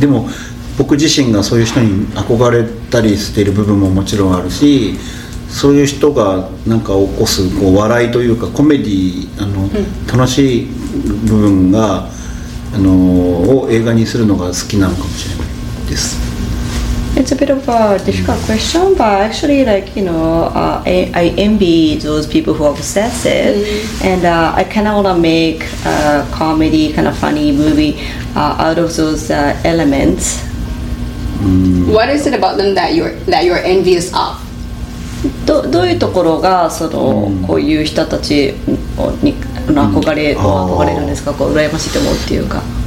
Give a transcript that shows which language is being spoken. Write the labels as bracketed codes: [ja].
[ja] でも僕自身がそういう人に憧れたりしている部分ももちろんあるし、そういう人がなんか起こすこう笑いというかコメディ、楽しい部分がを映画にするのが好きなのかもしれないです。 [en] It's a bit of a difficult question, but actually, like, you know, I envy those people who are obsessed, and I kind of want to make a comedy, kind of funny movie out of those elements. What is it about them that you're envious of? [ja] どういうところがその、こういう人たちに憧れるんですか、こう羨ましいと思うっていうか。